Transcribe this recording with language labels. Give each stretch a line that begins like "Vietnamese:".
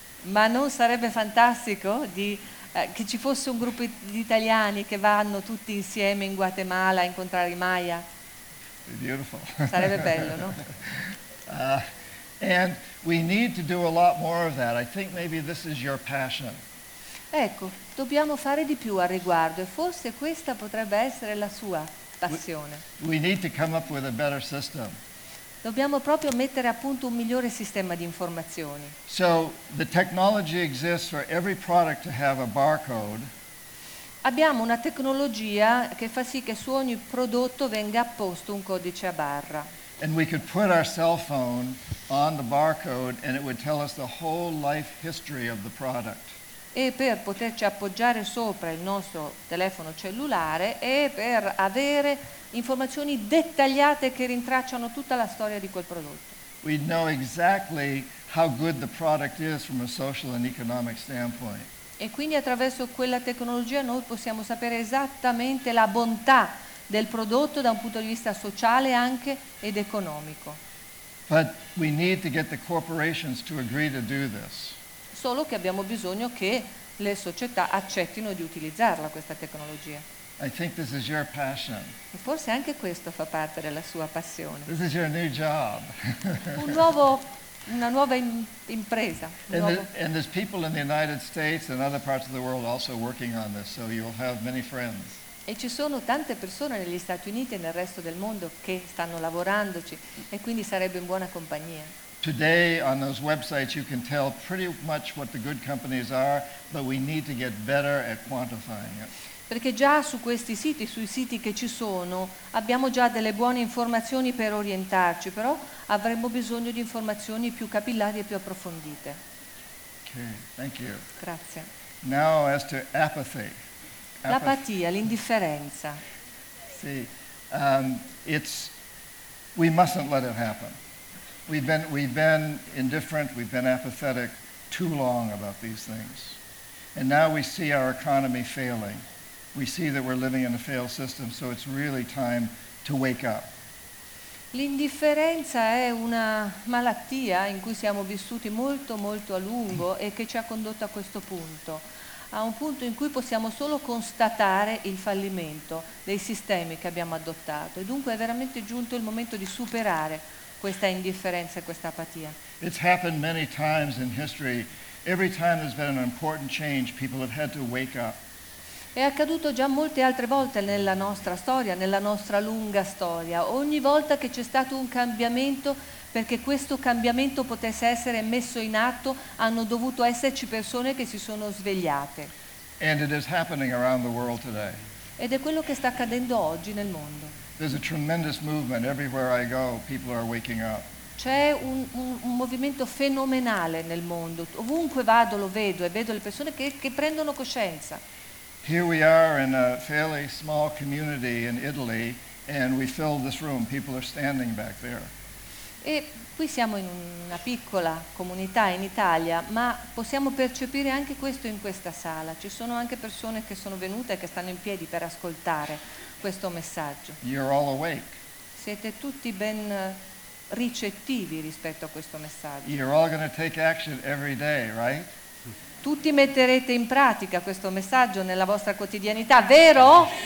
Italian: Ma non sarebbe fantastico che ci fosse un gruppo di italiani che vanno tutti insieme in Guatemala a incontrare i Maya?
English: Beautiful.
Italian: Sarebbe bello, no?
English: And we need to do a lot more of that. I think maybe this is your passion.
Italian: Ecco, dobbiamo fare di più al riguardo e forse questa potrebbe essere la sua passione.
English: We need to come up with a better system.
Italian: Dobbiamo proprio mettere a punto un migliore sistema di informazioni.
English: So the technology exists for every product to have a barcode.
Italian: Abbiamo una tecnologia che fa sì che su ogni prodotto venga apposto un codice a barra.
English: And we could put our cell phone on the barcode and it would tell us the whole life history of the product.
Italian: E per poterci appoggiare sopra il nostro telefono cellulare e per avere informazioni dettagliate che rintracciano tutta la storia di quel prodotto.
English: We know exactly how good the product is from a social and economic standpoint.
Italian: E quindi attraverso quella tecnologia noi possiamo sapere esattamente la bontà del prodotto da un punto di vista sociale anche ed economico.
English: But we need to get the corporations to agree to do this.
Italian: Solo che abbiamo bisogno che le società accettino di utilizzarla questa tecnologia.
English: I think this is your passion.
Italian: E forse anche questo fa parte della sua passione.
English: This is your new job.
Italian: Un nuovo una nuova impresa.
English: And there's people in the United States and other parts of the world also working on this, so you'll have many friends.
Italian: E ci sono tante persone negli Stati Uniti e nel resto del mondo che stanno lavorandoci, e quindi sarebbe in buona compagnia.
English: Today on those websites you can tell pretty much what the good companies are, but we need to get better at quantifying it.
Italian: Perché già su questi siti, sui siti che ci sono, abbiamo già delle buone informazioni per orientarci, però avremmo bisogno di informazioni più capillari e più approfondite.
English: Okay, thank you.
Italian: Grazie.
English: Now as to apathy.
Italian: L'apatia, l'indifferenza. Sì.
English: It's we mustn't let it happen. We've been indifferent, we've been apathetic too long about these things. And now we see our economy failing. We see that we're living in a failed system, so it's really time to wake up.
Italian: L'indifferenza è una malattia in cui siamo vissuti molto molto a lungo e che ci ha condotto a questo punto, a un punto in cui possiamo solo constatare il fallimento dei sistemi che abbiamo adottato. E dunque è veramente giunto il momento di superare questa indifferenza e questa apatia.
English: It's happened many times in history. Every time there's been an important change, people have had to wake up.
Italian: È accaduto già molte altre volte nella nostra storia, nella nostra lunga storia. Ogni volta che c'è stato un cambiamento, perché questo cambiamento potesse essere messo in atto, hanno dovuto esserci persone che si sono svegliate.
English: And it is happening around the world today.
Italian: Ed è quello che sta accadendo oggi nel mondo.
English: There's a tremendous movement everywhere I go, people are waking up.
Italian: C'è un movimento fenomenale nel mondo. Ovunque vado lo vedo e vedo le persone che prendono coscienza.
English: Here we are in a fairly small community in Italy and we filled this room. People are standing back there.
Italian: E qui siamo in una piccola comunità in Italia, ma possiamo percepire anche questo in questa sala. Ci sono anche persone che sono venute e che stanno in piedi per ascoltare questo messaggio.
English: You're all awake.
Italian: Siete tutti ben ricettivi rispetto a questo messaggio.
English: You're all going to take action every day, right?
Italian: Tutti metterete in pratica questo messaggio nella vostra quotidianità, vero?